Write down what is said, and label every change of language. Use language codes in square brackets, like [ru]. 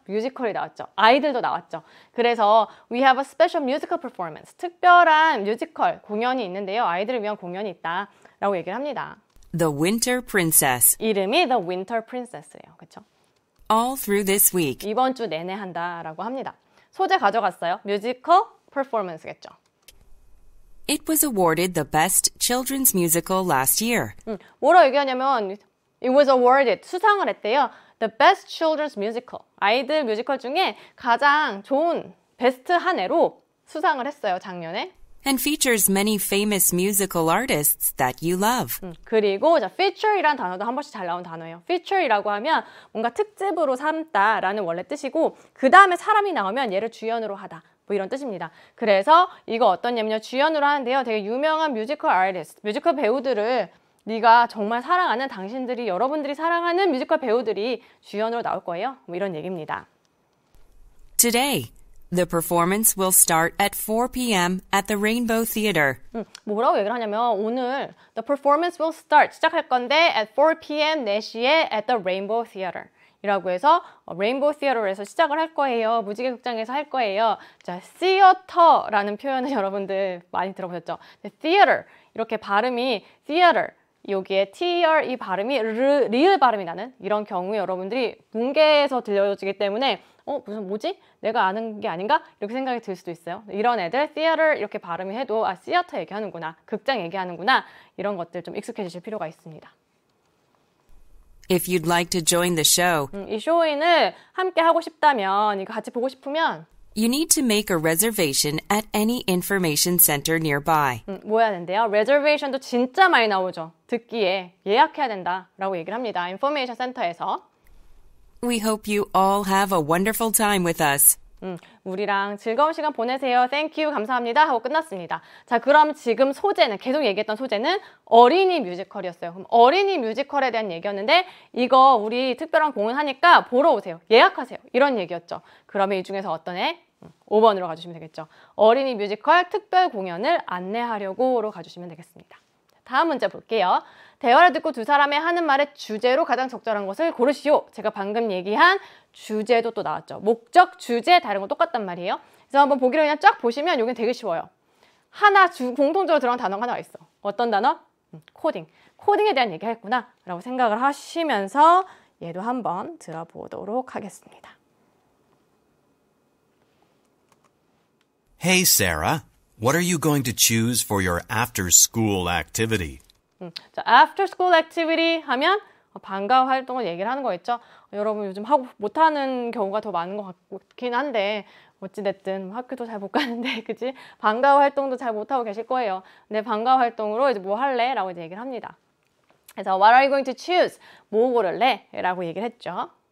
[ko] 뮤지컬이 나왔죠. 아이들도 나왔죠. 그래서 [en] We have a special musical performance. [ko] 특별한 뮤지컬 공연이 있는데요. 아이들을 위한 공연이 있다라고 얘기를 합니다. [en] The Winter Princess. [ko] 이름이 The Winter Princess예요. 그렇죠? [en] All through this week. [ko] 이번 주 내내 한다라고 합니다. 소재 가져갔어요. 뮤지컬 퍼포먼스겠죠. [en] It was awarded the best children's musical last year. [ko] 뭐라 얘기하냐면 [en] It was awarded, [ko] 수상을 했대요. [en] The best children's musical. [ko] 아이들 뮤지컬 중에 가장 좋은, 베스트 한 해로 수상을 했어요, 작년에. [en] And features many famous musical artists that you love. [ko] 그리고 feature이라는 단어도 한 번씩 잘 나온 단어예요. feature이라고 하면 뭔가 특집으로 삼다라는 원래 뜻이고 그 다음에 사람이 나오면 얘를 주연으로 하다. 뭐 이런 뜻입니다. 그래서 이거 어떠냐면 주연으로 하는데요. 되게 유명한 뮤지컬 아티스트, 뮤지컬 배우들을 네가 정말 사랑하는 당신들이, 여러분들이 사랑하는 뮤지컬 배우들이 주연으로 나올 거예요. 뭐 이런 얘기입니다. [en] Today, the performance will start at 4 p.m. at the Rainbow Theater. [ko] 뭐라고 얘기를 하냐면 오늘 [en] the performance will start, [ko] 시작할 건데 [en] at 4 p.m. [ko] 4시에 at the Rainbow Theater. 이라고 해서 레인보우 시어터에서 시작을 할 거예요. 무지개 극장에서 할 거예요. 자, 시어터라는 표현을 여러분들 많이 들어보셨죠? 네, theater 이렇게 발음이 theater 여기에 TR 이 발음이 리을 발음이 나는 이런 경우 여러분들이 문계에서 들려지기 때문에 무슨 뭐지? 내가 아는 게 아닌가? 이렇게 생각이 들 수도 있어요. 이런 애들 theater 이렇게 발음이 해도 아, 시어터 얘기하는구나. 극장 얘기하는구나. 이런 것들 좀 익숙해지실 필요가 있습니다. [en] If you'd like to join the show, [ko] 이 쇼인을 함께 하고 싶다면, 이거 같이 보고 싶으면, [en] you need to make a reservation at any information center nearby. [ko] 뭐 해야 된대요? Reservation도 진짜 많이 나오죠. 듣기에 예약해야 된다라고 얘기를 합니다. Information center에서. [en] We hope you all have a wonderful time with us. [ko] 우리랑 즐거운 시간 보내세요. [en] Thank you. [ko] 감사합니다. 하고 끝났습니다. 자, 그럼 지금 소재는, 계속 얘기했던 소재는 어린이 뮤지컬이었어요. 그럼 어린이 뮤지컬에 대한 얘기였는데 이거 우리 특별한 공연 하니까 보러 오세요. 예약하세요. 이런 얘기였죠. 그러면 이 중에서 어떤 애? 5번으로 가주시면 되겠죠. 어린이 뮤지컬 특별 공연을 안내하려고로 가주시면 되겠습니다. 다음 문제 볼게요. 대화를 듣고 두 사람의 하는 말의 주제로 가장 적절한 것을 고르시오. 제가 방금 얘기한 주제도 또 나왔죠. 목적, 주제, 다른 건 똑같단 말이에요. 그래서 한번 보기를 그냥 쫙 보시면 여기 되게 쉬워요. 하나, 공통적으로 들어간 단어가 하나가 있어. 어떤 단어? 코딩. 코딩에 대한 얘기 했구나 라고 생각을 하시면서 얘도 한번 들어보도록 하겠습니다. [en] Hey, Sarah. What are you going to choose for your after-school activity? [ko] After-school activity 하면 방과 후 활동을 얘기를 하는 거겠죠. 여러분 요즘 하고 못하는 경우가 더 많은 것 같긴 한데 어찌됐든 학교도 잘 못 가는데 그치? 방과 후 활동도 잘 못하고 계실 거예요. 근데 방과 후 활동으로 이제 뭐 할래? 라고 이제 얘기를 합니다. 그래서 [en] What are you going to choose? [ko] 뭐 고를래? 라고 얘기를 했죠.